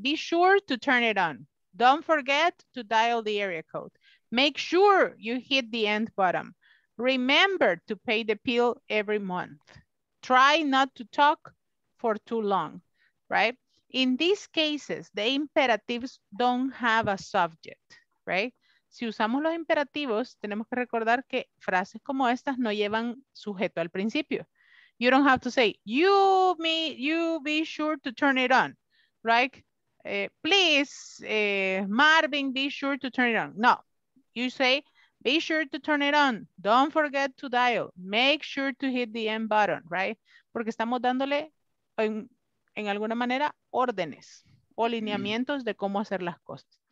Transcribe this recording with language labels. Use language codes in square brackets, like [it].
[en] Be sure to turn it on. Don't forget to dial the area code. Make sure you hit the end button. Remember to pay the bill every month. Try not to talk for too long, right? In these cases, the imperatives don't have a subject, right? [es] Si usamos los imperativos, tenemos que recordar que frases como estas no llevan sujeto al principio. [en] You don't have to say, you be sure to turn it on, right? Please, Marvin, be sure to turn it on. No, you say, be sure to turn it on. Don't forget to dial. Make sure to hit the end button, right? [es] Porque estamos dándole, en alguna manera, órdenes o lineamientos de cómo hacer las cosas.